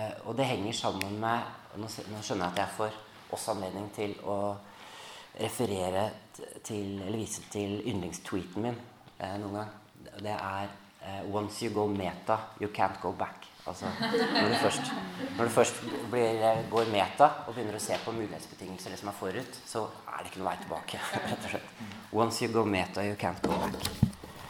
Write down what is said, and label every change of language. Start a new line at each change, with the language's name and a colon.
Norwegian: Og det henger sammen med, nå skjønner jeg at jeg får også anledning til å referere til, eller vise til yndlingstweeten min noen gang. Det
English: once you go meta, you can't go back.
Norwegian: Altså, når du først går meta og begynner å se på mulighetsbetingelser som forut, så det ikke noe vei tilbake, rett og slett.
English: Once you go meta, you can't go back.